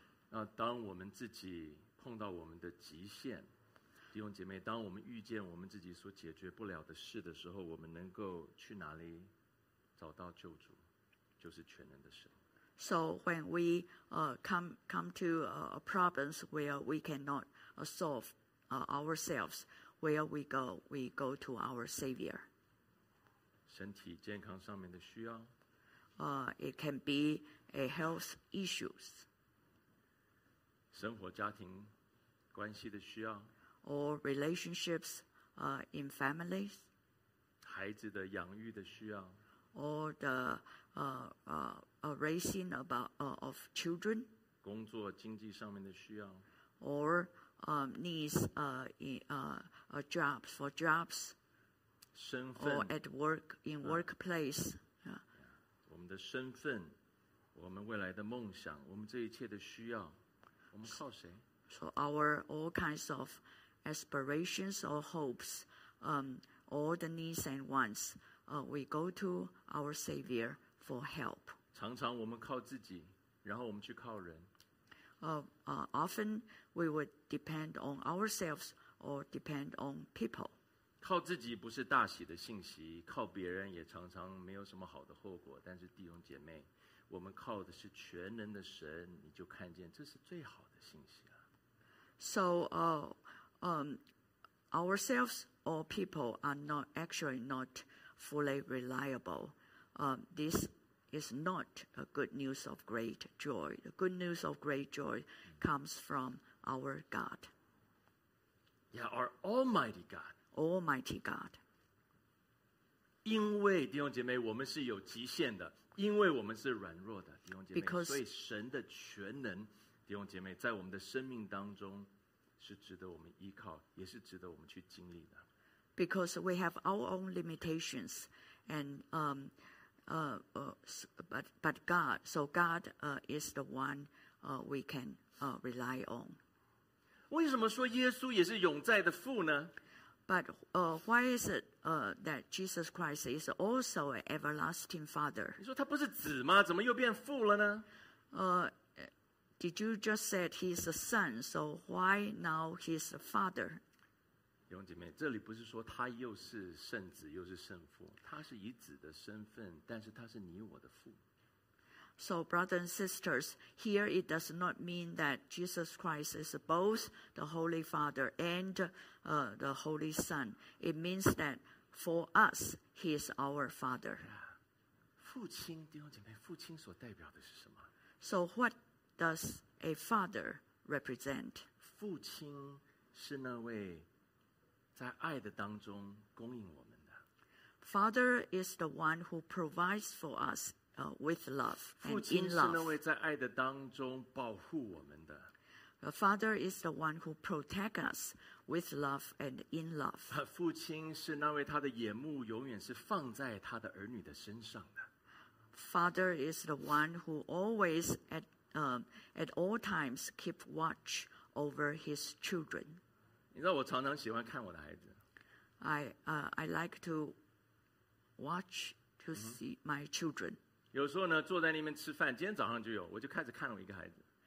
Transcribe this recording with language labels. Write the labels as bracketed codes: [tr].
[zh] 那当我们自己碰到我们的极限，弟兄姐妹，当我们遇见我们自己所解决不了的事的时候，我们能够去哪里找到救主？就是全能的神。 [en] So when we come to a problems where we cannot solve ourselves, where we go to our Savior. [zh] 身体健康上面的需要。 [en] It can be a health issues. [zh] 生活家庭关系的需要。 [en] Or relationships in families. [zh] 孩子的养育的需要。 [en] Or the raising of children. [zh] 工作经济上面的需要。 [en] Or needs jobs for jobs. [zh] 身份。 [en] Or at work, in workplace. [zh] 我们的身份，我们未来的梦想，我们这一切的需要，我们靠谁 [en] ？So our all kinds of aspirations or hopes, all the needs and wants, we go to our Savior for help. [zh] 常常我们靠自己，然后我们去靠人。 [en] often we would depend on ourselves or depend on people. [zh] 靠自己不是大喜的信息，靠别人也常常没有什么好的后果。但是弟兄姐妹，我们靠的是全能的神，你就看见这是最好的信息了。 [en] So, ourselves or people are not actually not fully reliable. This is not a good news of great joy. The good news of great joy comes from our God. Yeah, our Almighty God. Almighty God. [zh] 因为弟兄姐妹，我们是有极限的，因为我们是软弱的，弟兄姐妹。 [en] Because, [zh] 所以神的全能，弟兄姐妹，在我们的生命当中是值得我们依靠，也是值得我们去经历的。 [en] Because we have our own limitations, and but God, so God is the one we can rely on. [zh] 为什么说耶稣也是永在的父呢？ [en] But why is it that Jesus Christ is also an everlasting Father? [zh] 你说他不是子吗？怎么又变父了呢？ [en] Did you just said he's a son? So why now he's a father? [zh] 弟兄姐妹，这里不是说他又是圣子又是圣父，他是以子的身份，但是他是你我的父。 [en] So brothers and sisters, here it does not mean that Jesus Christ is both the Holy Father and the Holy Son. It means that for us, He is our Father. [zh] 父亲，弟兄姐妹，父亲所代表的是什么？ [en] So what does a father represent? [zh] 父亲是那位在爱的当中供应我们的。 [en] Father is the one who provides for us. With love and in love. [zh] 父亲是那位在爱的当中保护我们的。 [en] The Father is the one who protects us with love and in love. [zh] 父亲是那位他的眼目永远是放在他的儿女的身上的。 [en] Father is the one who always at all times keep watch over his children. [zh] 你知道我常常喜欢看我的孩子。 [en] I like to watch to see my children. [zh] 有时候呢，坐在那边吃饭，今天早上就有，我就开始看我一个孩子。